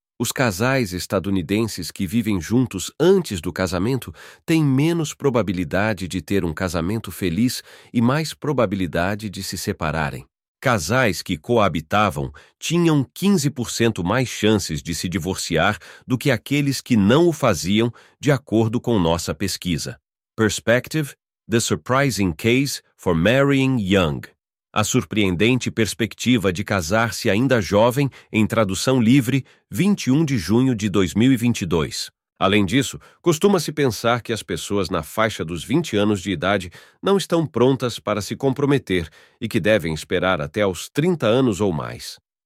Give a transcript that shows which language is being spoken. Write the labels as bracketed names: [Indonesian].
[Portuguese] Os casais estadunidenses que vivem juntos antes do casamento têm menos probabilidade de ter um casamento feliz e mais probabilidade de se separarem. Casais que coabitavam tinham 15% mais chances de se divorciar do que aqueles que não o faziam, de acordo com nossa pesquisa. [English] Perspective: The Surprising Case for Marrying Young. [Portuguese] A surpreendente perspectiva de casar-se ainda jovem, em tradução livre, 21 de junho de 2022. Além disso, costuma-se pensar que as pessoas na faixa dos 20 anos de idade não estão prontas para se comprometer e que devem esperar até aos 30 anos ou mais.